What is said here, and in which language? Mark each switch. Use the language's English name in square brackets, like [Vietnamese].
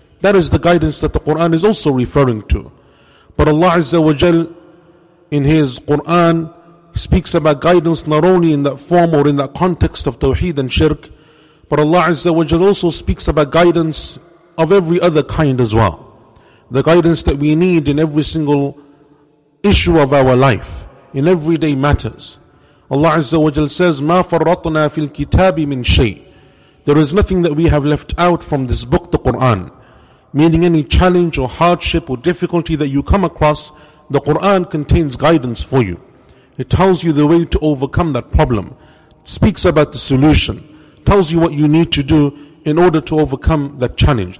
[English] That is the guidance that the Qur'an is also referring to. But Allah Azza wa Jal in His Qur'an speaks about guidance not only in that form or in that context of Tawheed and Shirk, but Allah Azza wa Jal also speaks about guidance of every other kind as well. The guidance that we need in every single issue of our life, in everyday matters. Allah Azza wa Jal says, [Arabic] مَا فَرَّطْنَا فِي الْكِتَابِ مِنْ شَيْءٍ. [English] There is nothing that we have left out from this book, the Qur'an. Meaning any challenge or hardship or difficulty that you come across, the Qur'an contains guidance for you. It tells you the way to overcome that problem. It speaks about the solution. Tells you what you need to do in order to overcome that challenge.